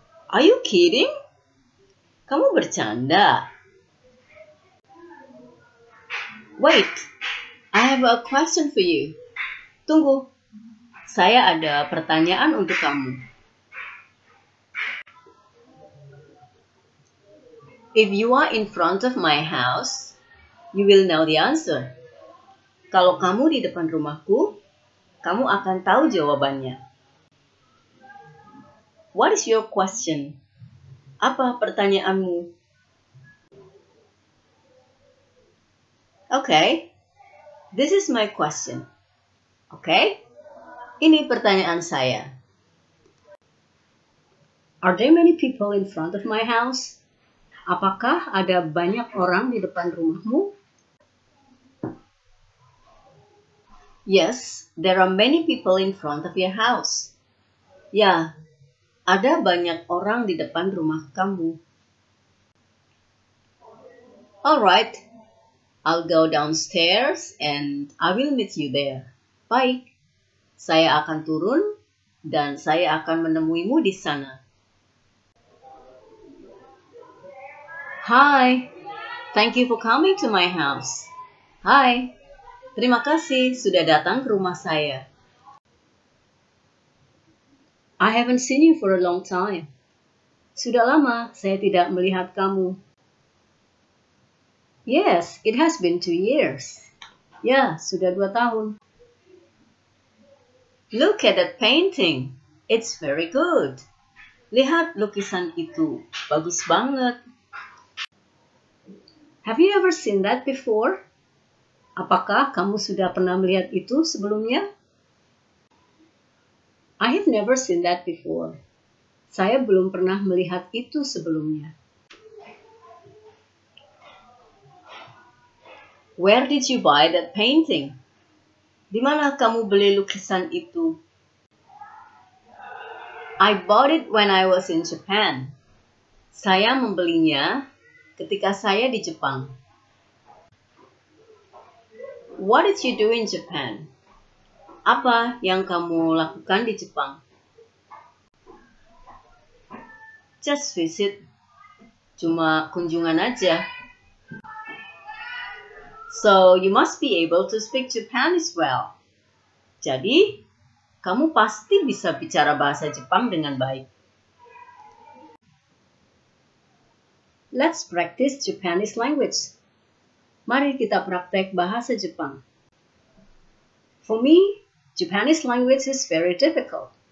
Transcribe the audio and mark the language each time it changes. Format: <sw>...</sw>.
<en>Are you kidding?</en> <id>Kamu bercanda.</id> <en>Wait, I have a question for you.</en> <id>Tunggu, saya ada pertanyaan untuk kamu.</id> <en>If you are in front of my house, you will know the answer.</en> <id>Kalau kamu di depan rumahku, kamu akan tahu jawabannya.</id> <en>What is your question?</en> <id>Apa pertanyaanmu?</id> <en>Okay, this is my question.</en> <id>Okay, ini pertanyaan saya.</id> <en>Are there many people in front of my house?</en> <id>Apakah ada banyak orang di depan rumahmu?</id> <en>Yes, there are many people in front of your house.</en> <id>Ya, ada banyak orang di depan rumah kamu.</id> <en>Alright, I'll go downstairs and I will meet you there.</en> <id>Baik, saya akan turun dan saya akan menemuimu di sana.</id> <en>Hi, thank you for coming to my house.</en> <id>Hi, terima kasih sudah datang ke rumah saya.</id> <en>I haven't seen you for a long time.</en> <id>Sudah lama saya tidak melihat kamu.</id> <en>Yes, it has been 2 years.</en> <id>Ya, sudah 2 tahun.</id> <en>Look at that painting. It's very good.</en> <id>Lihat lukisan itu. Bagus banget.</id> <en>Have you ever seen that before?</en> <id>Apakah kamu sudah pernah melihat itu sebelumnya?</id> <en>I have never seen that before.</en> <id>Saya belum pernah melihat itu sebelumnya.</id> <en>Where did you buy that painting?</en> <id>Di mana kamu beli lukisan itu?</id> <en>I bought it when I was in Japan.</en> <id>Saya membelinya ketika saya di Jepang.</id> <en>What did you do in Japan?</en> <id>Apa yang kamu lakukan di Jepang?</id> <en>Just visit.</en> <id>Cuma kunjungan aja.</id> <en>So you must be able to speak Japanese well.</en> <id>Jadi, kamu pasti bisa bicara bahasa Jepang dengan baik.</id> <en>Let's practice Japanese language.</en> <id>Mari kita praktek bahasa Jepang.</id> <en>For me, Japanese language is very difficult.</en>